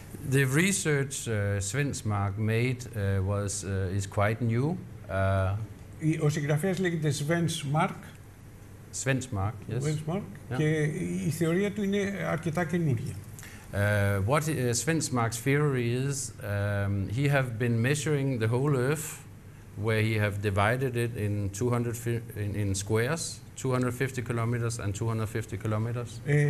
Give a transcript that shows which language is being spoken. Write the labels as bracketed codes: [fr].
[en] The research Svensmark made was is quite new. [el] Ο συγγραφέας λέγεται Svensmark. [en] Svensmark, yes. Svensmark. Yeah. [el] Και η θεωρία του είναι αρκετά καινούργια. [en] What Svensmark's theory is, he have been measuring the whole Earth, where he have divided it in 200 in squares, 250 kilometers and 250 kilometers.